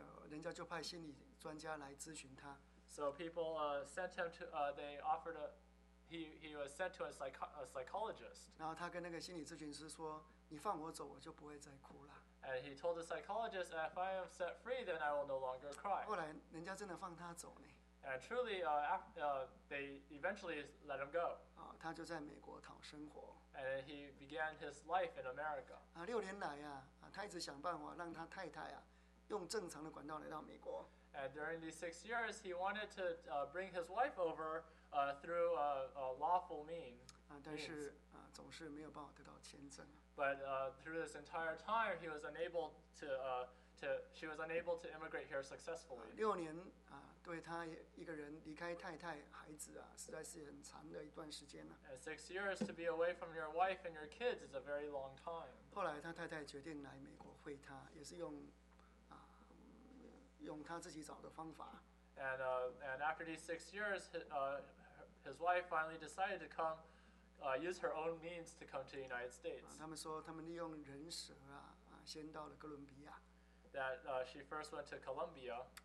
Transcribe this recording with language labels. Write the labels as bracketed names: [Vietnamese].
[Chinese] 人家就派心理专家来咨询他。 [English] So people sent him to, they offered a, he was sent to a psychologist. [Chinese] 然后他跟那个心理咨询师说, 你放我走, 我就不会再哭了。 [English] And he told the psychologist, if I am set free, then I will no longer cry. [Chinese] 后来人家真的放他走呢。 [English] And truly, they eventually let him go. [Chinese] 他就在美国讨生活。 [English] And he began his life in America. [Chinese] 6年来啊, 他一直想办法让他太太啊, 用正常的管道来到美国。 [English] And during these 6 years, he wanted to bring his wife over through a lawful means. [Chinese] 但是, 总是没有办法得到签证。 [English] But through this entire time, he was unable to she was unable to immigrate here successfully. [Chinese] 6年, 对他一个人离开太太孩子啊, 实在是很长的一段时间啊。 [English] And 6 years to be away from your wife and your kids is a very long time. [Chinese] 后来他太太决定来美国会他, 也是用 用他自己找的方法。 [English] And and after these 6 years, his wife finally decided to come, use her own means to come to the United States. [Chinese] 他们说他们利用人蛇啊，先到了哥伦比亚。 [English] That she first went to Colombia.